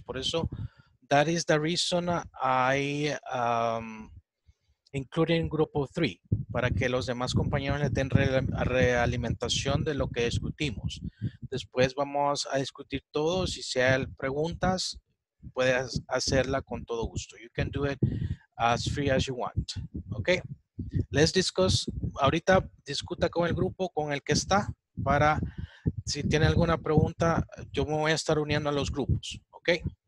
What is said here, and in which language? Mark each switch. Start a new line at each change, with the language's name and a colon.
Spanish: Por eso,
English: that is the reason I included in group of three,
Spanish: para que los demás compañeros le den realimentación de lo que discutimos. Después vamos a discutir todo. Si sea preguntas, puedes hacerla con todo gusto.
English: You can do it as free as you want. Okay? Let's discuss.
Spanish: Ahorita discuta con el grupo con el que está para si tiene alguna pregunta, yo me voy a estar uniendo a los grupos.
English: Okay?